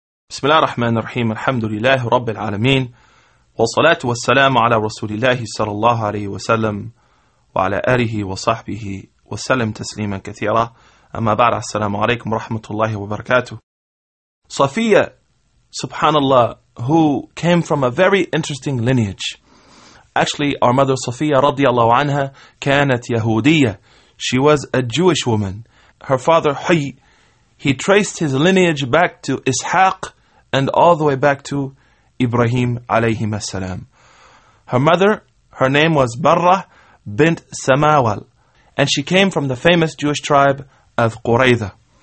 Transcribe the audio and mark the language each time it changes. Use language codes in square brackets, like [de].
[ar] بسم الله الرحمن الرحيم، الحمد لله رب العالمين، والصلاة والسلام على رسول الله صلى الله عليه وسلم وعلى آله وصحبه وسلم تسليما كثيرا. أما بعد، السلام عليكم ورحمة الله وبركاته. صفية، سبحان الله، [en] who came from a very interesting lineage. Actually, our mother Sophia [ar] رضي الله عنها كانت يهودية. [en] She was a Jewish woman. Her father Huy, he traced his lineage back to Ishaq and all the way back to Ibrahim عليهما السلام. Her mother, her name was Barrah bint Samawal, and she came from the famous Jewish tribe of Quraidah.